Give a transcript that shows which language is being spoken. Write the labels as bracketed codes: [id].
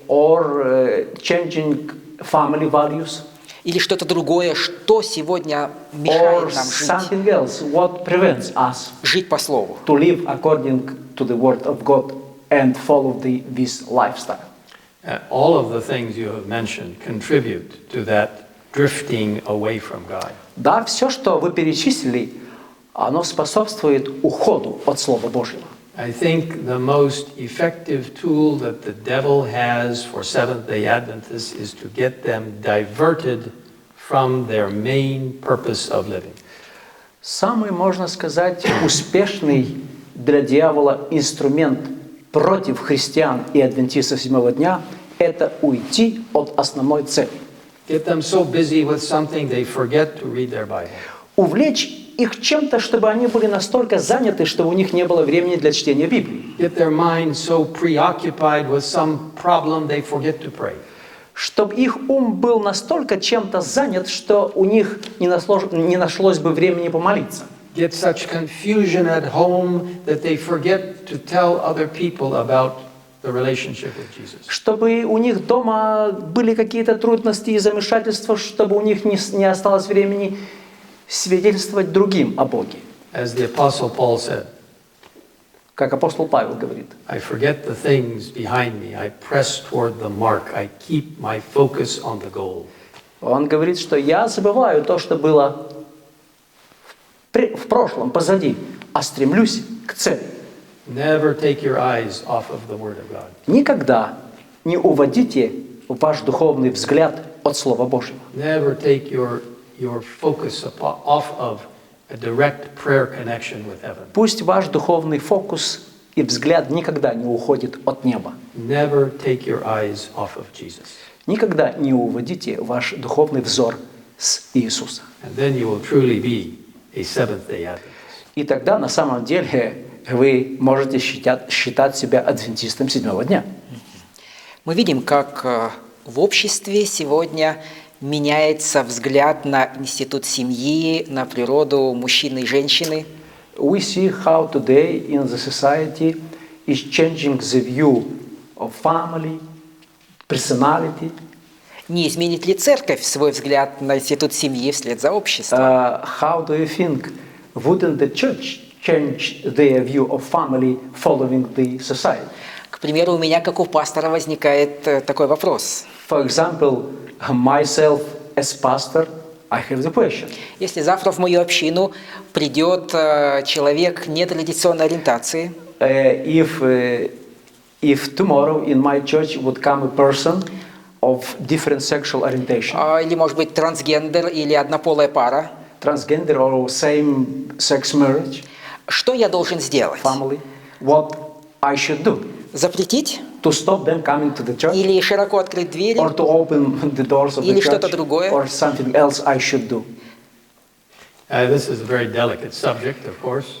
[en] Or changing family values. [ru] Или что-то другое, что сегодня мешает нам жить? [en] Or something else, what prevents us [ru] жить по слову? [en] To live according to the word of God and follow this lifestyle. All of the things you have mentioned contribute to that drifting away from God. [ru] Да, все, что вы перечислили, оно способствует уходу от Слова Божьего. [en] I think the most effective tool that the devil has for Seventh-day Adventists is to get them diverted from their main purpose of living. [ru] Самый, можно сказать, успешный для дьявола инструмент против христиан и адвентистов седьмого дня – это уйти от основной цели. [en] Get them so busy with something they forget to read their Bible. [ru] Увлечь их чем-то, чтобы они были настолько заняты, что у них не было времени для чтения Библии. [en] Get their mind so preoccupied with some problem they forget to pray. [ru] Чтобы их ум был настолько чем-то занят, что у них не нашлось бы времени помолиться. [en] Get such confusion at home that they forget to tell other people about the relationship with Jesus. [ru] Чтобы у них дома были какие-то трудности и замешательства, чтобы у них не осталось времени свидетельствовать другим о Боге. [en] As the apostle Paul said. [ru] Как апостол Павел говорит. [en] I forget the things behind me. I press toward the mark. I keep my focus on the goal. [ru] Он говорит, что я забываю то, что было в прошлом, позади, а стремлюсь к цели. [en] Never take your eyes off of the word of God. [ru] Никогда не уводите ваш духовный взгляд от Слова Божьего. [en] Never take your focus off of a direct prayer connection with heaven. [ru] Пусть ваш духовный фокус и взгляд никогда не уходит от неба. [en] Never take your eyes off of Jesus. [ru] Никогда не уводите ваш духовный взор с Иисуса. [en] And then you will truly be a Seventh-day Adventist. [ru] И тогда на самом деле вы можете считать себя адвентистом седьмого дня. Мы видим, как в обществе сегодня меняется взгляд на институт семьи, на природу мужчины и женщины. [en] We see how today in the society is changing the view of family, personality. [ru] Не изменит ли церковь свой взгляд на институт семьи вслед за обществом? [en] How do you think? Wouldn't the church change their view of family following the society? [ru] К примеру, у меня, как у пастора, возникает такой вопрос. [en] For example, myself as pastor, I have the question. [ru] Если завтра в мою общину придет человек нетрадиционной ориентации, [en] if tomorrow in my church would come a person of different sexual orientation, [ru] или, может быть, трансгендер или однополая пара, [en] transgender or same sex marriage, [ru] что я должен сделать? [en] Family, what I should do? [ru] Запретить? [en] To stop them coming to the church? [ru] Или широко открыть двери? [en] Or to open the doors of [ru] или [en] the [ru] что-то другое? [en] Or something else I should do? This is a very delicate subject, of course.